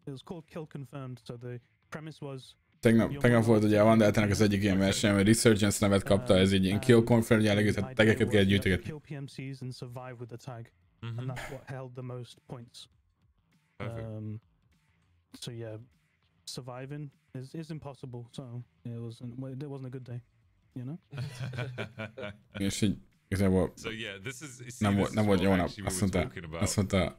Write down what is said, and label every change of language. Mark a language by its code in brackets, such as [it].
[en] It was called Kill Confirmed, so the premise was [hu] Tegnap volt ugye a Van Deltának az egyik ilyen versenye, mert Resurgence nevet kapta, ez egy ilyen Kill Confirmed jellegű, tehát tegeket kell gyűjtögetni. [en] Kill PMCs and survive with the tag. Mm-hmm. And that's what held the most points. So yeah, surviving is impossible, so it wasn't a good day, you know? [hu] És így, igazából nem volt jó nap, azt mondta